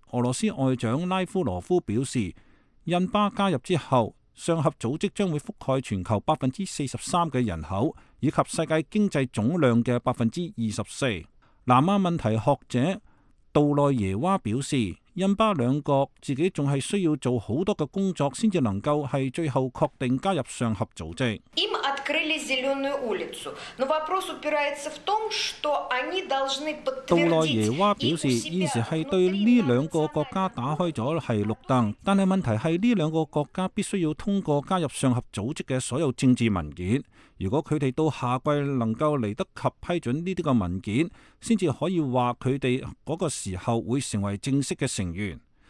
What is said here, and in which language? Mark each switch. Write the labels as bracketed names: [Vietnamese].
[Chinese] 俄罗斯外长拉夫罗夫表示，印巴加入之后上合组织将会覆盖全球 43% 的人口以及世界经济总量的 24%。南亚问题学者杜内耶娃表示，印巴两国自己还是需要做很多的工作才能够是最后确定加入上合组织。 [Russian] Им открыли зеленую улицу, но вопрос упирается в том, что они должны подтвердить. [Chinese] 杜内耶娃表示，现时是对这两个国家打开了是绿灯，但是问题是这两个国家必须要通过加入上合组织的所有政治文件。如果他们到夏季能够来得及批准这些文件，才可以说他们那个时候会成为正式的成员。